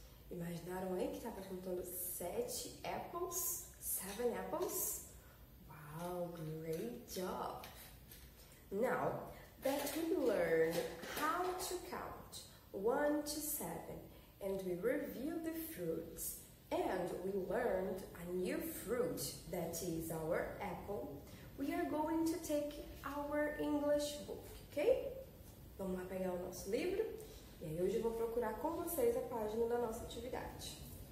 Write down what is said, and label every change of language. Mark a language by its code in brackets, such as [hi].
[pt] Imaginaram aí que estava contando sete apples? [en] Seven apples? Oh, great job. Now that we learned how to count 1 to 7 and we reviewed the fruits and we learned a new fruit that is our apple, we are going to take our English book, ok? [pt] Vamos lá pegar o nosso livro e aí hoje eu vou procurar com vocês a página da nossa atividade.